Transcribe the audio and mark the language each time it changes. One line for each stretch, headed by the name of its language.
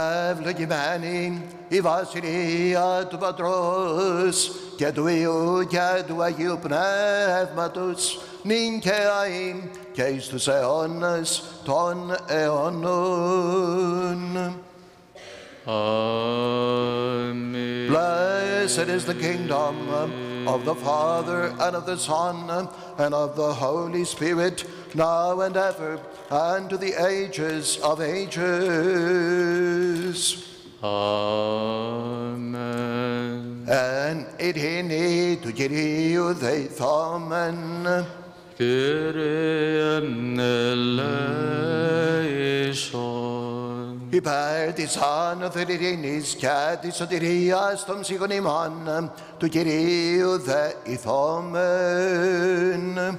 Greek: Ευλογημένη η βασιλεία του Πατρός και του Υιού και του Αγίου Πνεύματος, νυν και αείν και εις τους αιώνας των αιώνων. Αμήν.
English: Blessed is the kingdom of the Father and of the Son and of the Holy Spirit, now and ever and to the ages of ages. Amen.
Greek: Εν ειρήνη του Κυρίου δεηθώμεν. Κύριε ελέησον. Υπέρ της άνωθεν ειρήνης και της σωτηρίας των ψυχών ημών του Κυρίου δεηθώμεν.